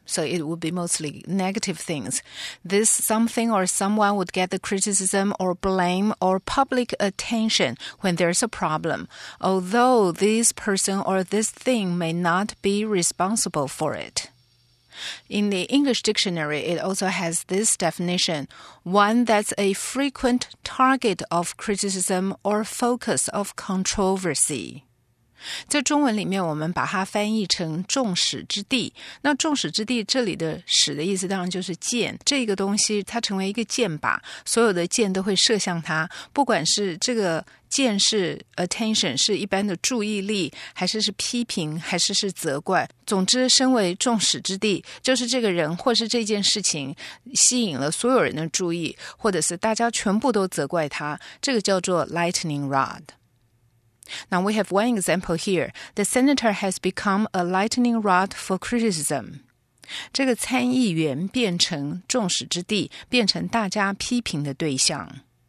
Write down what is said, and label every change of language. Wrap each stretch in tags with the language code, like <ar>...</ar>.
<en>So it would be mostly negative things. This something or someone would get the criticism or blame or public attention when there's a problem, although this person or this thing may not be responsible for it. In the English dictionary, it also has this definition, one that's a frequent target of criticism or focus of controversy.</en> <zh>在中文里面我们把它翻译成众矢之的。那众矢之的这里的矢的意思当然就是箭。这个东西它成为一个箭靶，所有的箭都会射向它，不管是这个箭是 attention, 是一般的注意力，还是是批评，还是是责怪。总之，身为众矢之的，就是这个人或是这件事情吸引了所有人的注意，或者是大家全部都责怪他，这个叫做 lightning rod。</zh> <en>Now we have one example here. The senator has become a lightning rod for criticism.</en> <zh>这个参议员变成众矢之的，变成大家批评的对象。</zh>